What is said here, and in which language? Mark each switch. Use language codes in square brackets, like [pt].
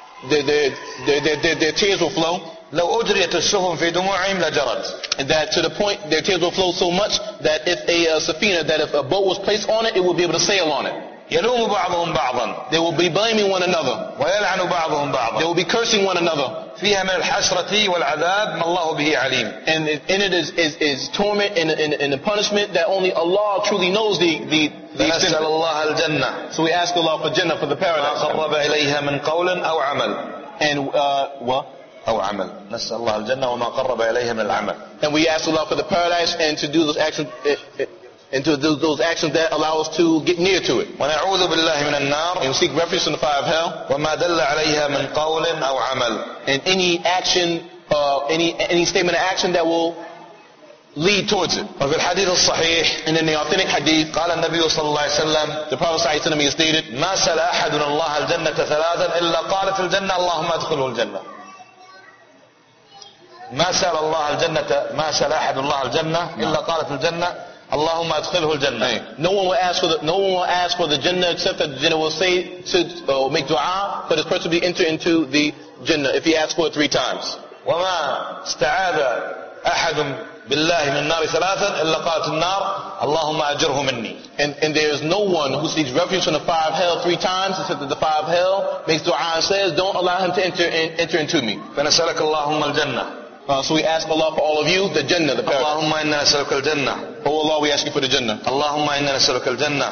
[en] And their tears will flow. [ar] لو أجريت الشهم في دموعهم لجرت. [en] And that to the point their tears will flow so much that if a boat was placed on it, it would be able to sail on it. [ar] يلوم بعضهم بعضا. [en] They will be blaming one another. [ar] ويلعن بعضهم بعضا. [en] They will be cursing one another. [ar] فيها من الحسرة والعذاب ما الله به عليم. [en] And in it is torment and the punishment that only Allah truly knows the extent. [ar] فنسأل الله الجنة. [en] So we ask Allah for Jannah, for the paradise. [ar] ما قرب إليها من قول أو عمل. [en] And [ar] أو عمل. نسأل الله الجنة وما قرب إليها من العمل. [en] And we ask Allah for the paradise and to do those actions. And to do those actions that allow us to get near to it. [ar] ونعوذ بالله من النار. [en] And seek refuge in the fire of hell. [ar] وما دل عليها من قول أو عمل. [en] And any action, any statement of action that will lead towards it. [ar] وفي الحديث الصحيح. [en] And in the authentic hadith, [ar] قال النبي صلى الله عليه وسلم. [en] The Prophet صلى الله عليه وسلم has stated, [ar] ما سأل أحد الله الجنة ثلاثا إلا قالت الجنة اللهم أدخله الجنة. ما سأل أحد الله الجنة إلا قالت الجنة. اللهم ادخله الجنة. Hey. [en] No one will ask for the Jannah except that the Jannah will say to make dua for this person to be entered into the Jannah if he asks for it three times. [ar] وما استعاذ أحد بالله من النار ثلاثا إلا قالت النار اللهم أجره مني. [en] And there is no one who seeks refuge from the fire of hell three times except that the fire of hell makes dua and says don't allow him to enter into me. [ar] فنسألك اللهم الجنة. [en] So we ask Allah for all of you, the Jannah, the paradise. [ar] Allahumma inna nas'aluka al-jannah. [en] Oh Allah, we ask you for the Jannah. [ar] Allahumma inna nas'aluka al-jannah.